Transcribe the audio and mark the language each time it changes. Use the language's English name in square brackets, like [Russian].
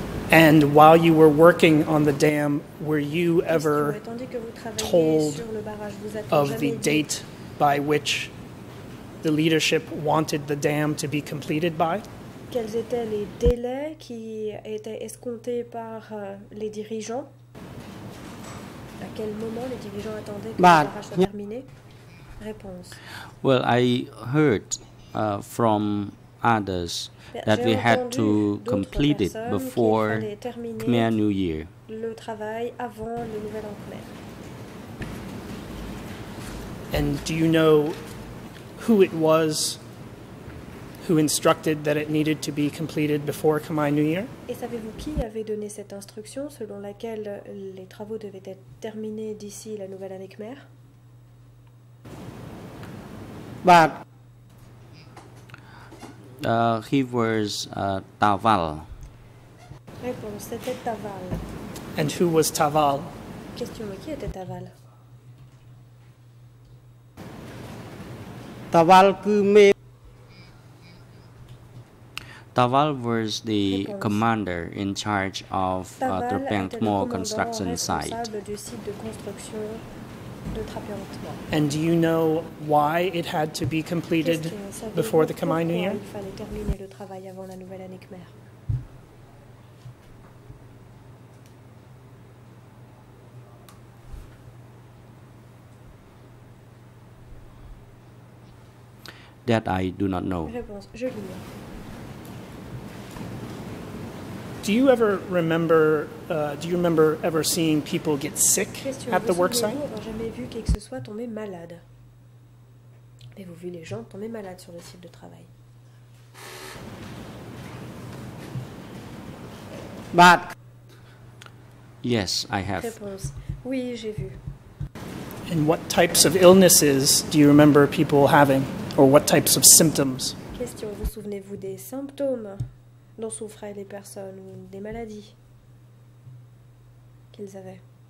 [English] And while you were working on the dam, were you ever told of the date by which the leadership wanted the dam to be completed by? [French] Quels étaient les délais qui étaient escomptés par les dirigeants? À quel moment les dirigeants attendaient que le barrage soit terminé? Réponse. [English] Well, I heard from others that [French] j'ai [English] we had to complete it before Khmer New Year. [French] Le travail avant le nouvel an Khmer. [English] And do you know who it was who instructed that it needed to be completed before Khmer New Year? [French] Et savez-vous qui avait donné cette instruction selon laquelle les travaux devaient être terminés d'ici la nouvelle année Khmer? Bah. [English] He was Thorl. [French] Réponse, c'était Thorl. [English] And who was Thorl? [French] Question, qui était Thorl? Thorl que [English] Thorl was the commander in charge of the Chapeng Tama construction site. [French] Du site de construction de Chapeng Tama. [English] And do you know why it had to be completed before the Khmer New Year? [French] Il fallait terminer le travail avant la nouvelle année Khmer. [English] That I do not know. [French] Réponse, je l'ignore. [English] Do you remember ever seeing people get sick at the work site? [French] Vous avez jamais vu qui que ce soit tomber malade? Avez-vous vu les gens tomber malades sur le site de travail? [English] But yes, I have. [French] Réponse. Oui, j'ai vu. [English] And what types of illnesses do you remember people having, or what types of symptoms? Question. [French] Vous souvenez-vous des symptômes dont souffraient les personnes ou des maladies qu'ils avaient?